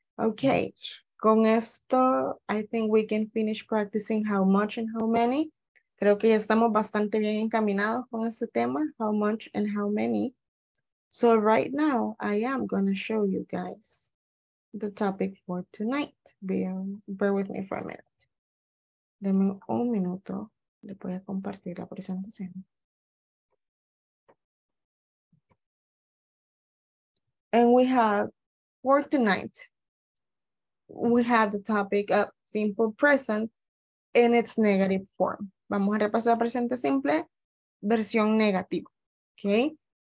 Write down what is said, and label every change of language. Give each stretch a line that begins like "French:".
English: Okay,
Spanish: con esto,
English: I think we can finish practicing how much and how many.
Spanish: Creo que ya estamos bastante bien encaminados con este tema, how much and how many.
English: So right now, I am going to show you guys the topic for tonight. Bear with me for a minute.
Spanish: Deme un minuto, le voy a compartir la presentación.
English: And we have, for tonight, we have the topic of simple present in its negative form.
Spanish: Vamos a repasar presente simple, versión negativa, okay?